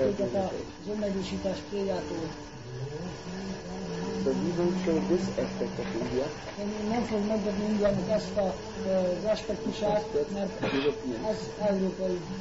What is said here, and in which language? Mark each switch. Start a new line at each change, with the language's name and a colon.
Hungarian: őket az önmegősítás céljától.
English: So we will show this aspect of India.
Hungarian: Én nem fogom megadni Indiának ezt az aspektusát, mert ez európai.